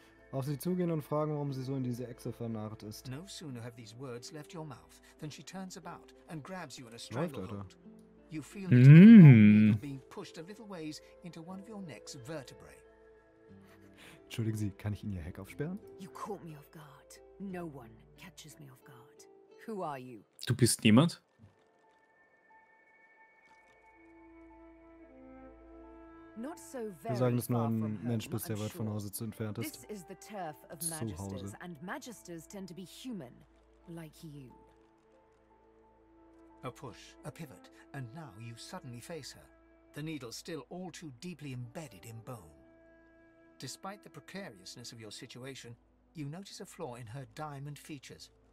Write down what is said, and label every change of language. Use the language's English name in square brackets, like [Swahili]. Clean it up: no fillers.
[German] Auf sie zugehen und fragen, warum sie so in diese Echse vernarrt ist. [English] No sooner have these words left your mouth than she turns about and grabs you in a stranglehold. You feel it being pushed a little ways into one of your neck's vertebrae. [German] Entschuldigen Sie, kann ich Ihnen Ihr Heck aufsperren? [English] You caught me off guard. No one catches me off guard. Who are you? [German] Du bist niemand? Wir sagen, dass nur ein Mensch bist, der weit von Hause zu entfernt ist. Zu Hause. [English] And magisters tend to be human, like you. A push, a pivot, and now you suddenly face her. The needle still all too deeply embedded in bone. Despite the precariousness of your situation, you notice a flaw in her diamond features.